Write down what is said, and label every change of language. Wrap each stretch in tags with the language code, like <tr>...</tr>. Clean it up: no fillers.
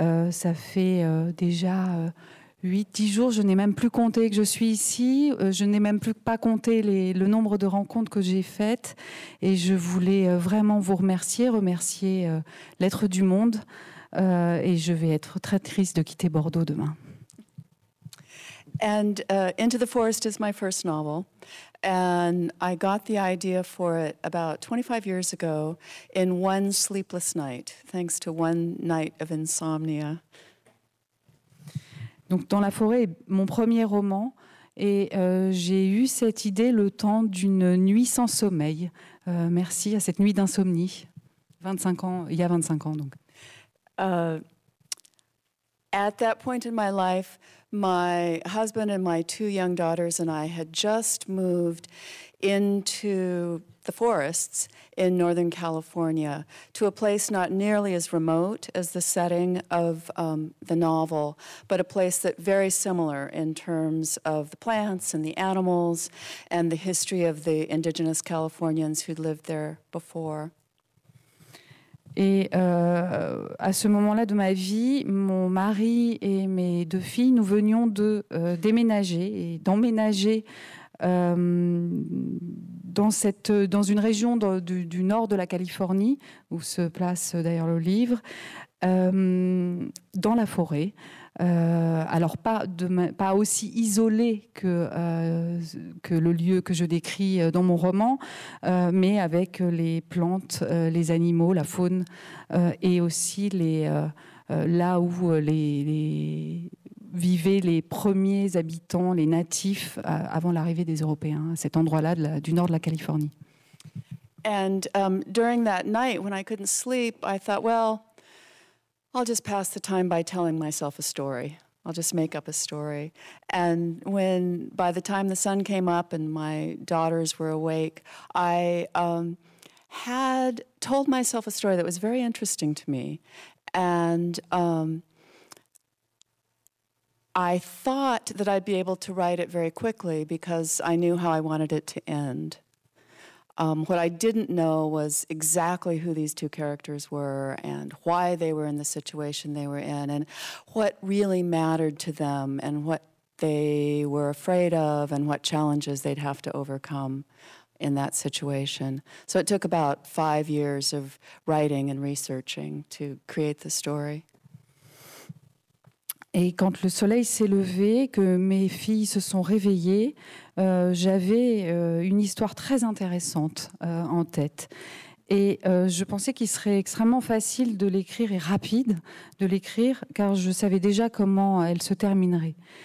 <fr>Ça fait déjà 8-10 jours, je n'ai même plus compté que je suis ici, je n'ai même plus pas compté le nombre de rencontres que j'ai faites, et je voulais vraiment vous remercier Lettres du Monde, et je vais être très triste de quitter Bordeaux demain.</fr> <en>And Into the Forest is my first novel, and I got the idea for it about 25 years ago in one sleepless night, thanks to one night of insomnia.</en> <fr>Donc, Dans la forêt, mon premier roman, et j'ai eu cette idée le temps d'une nuit sans sommeil, merci à cette nuit d'insomnie, 25 ans, il y a 25 ans donc.</fr> <en>At that point in my life, my husband and my two young daughters and I had just moved into the forests in Northern California to a place not nearly as remote as the setting of the novel, but a place that very similar in terms of the plants and the animals and the history of the indigenous Californians who'd lived there before.</en> <fr>Et à ce moment-là de ma vie, mon mari et mes deux filles, nous venions de déménager et d'emménager dans une région du nord de la Californie, où se place d'ailleurs le livre, dans la forêt. Alors pas aussi isolé que le lieu que je décris dans mon roman, mais avec les plantes, les animaux, la faune, et aussi là où les vivaient les premiers habitants, les natifs, avant l'arrivée des Européens, à cet endroit-là du nord de la Californie.</fr> <en>And during that night, when I couldn't sleep, I thought, well, I'll just pass the time by telling myself a story. I'll just make up a story. And when, by the time the sun came up and my daughters were awake, I had told myself a story that was very interesting to me. And I thought that I'd be able to write it very quickly because I knew how I wanted it to end. What I didn't know was exactly who these two characters were and why they were in the situation they were in and what really mattered to them and what they were afraid of and what challenges they'd have to overcome in that situation. So it took about 5 years of writing and researching to create the story.</en> <fr>Et quand le soleil s'est levé, que mes filles se sont réveillées, j'avais une histoire très intéressante en tête. Et je pensais qu'il serait extrêmement facile de l'écrire et rapide de l'écrire, car je savais déjà comment elle se terminerait.</fr>